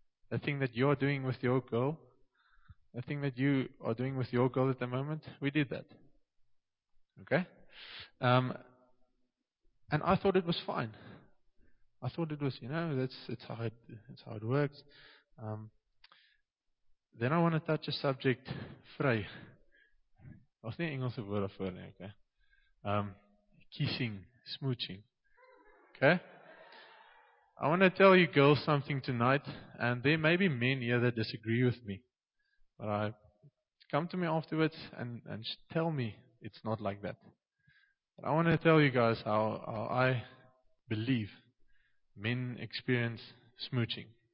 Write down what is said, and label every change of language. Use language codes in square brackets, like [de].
[en] The thing that you're doing with your girl, the thing that you are doing with your girl at the moment, we did that. Okay? And I thought it was fine. I thought it was, you know, it's how it works. Then I want to touch a subject, vry. [af] Was nie Engelse woord daarvoor nie, okay? [en] Kissing, smooching. Okay? I want to tell you girls something tonight, and there may be men here that disagree with me. But I come to me afterwards and tell me it's not like that. I want to tell you guys how I believe men experience smooching.